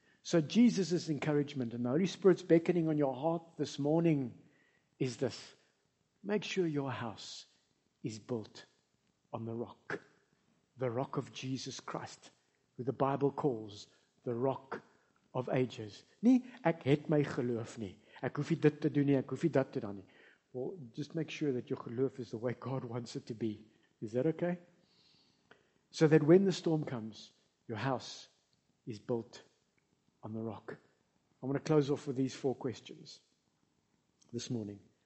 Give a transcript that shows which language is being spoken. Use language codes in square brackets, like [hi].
[en] So Jesus' encouragement and the Holy Spirit's beckoning on your heart this morning is this. Make sure your house is built on the rock of Jesus Christ, who the Bible calls the rock of ages. [af] Nie, ek het my geloof nie. Ek hoef nie dit te doen nie, ek hoef nie dat te doen nie. [en] Well, just make sure that your geloof is the way God wants it to be. Is that okay? So that when the storm comes, your house is built on the rock. I'm going to close off with these four questions this morning.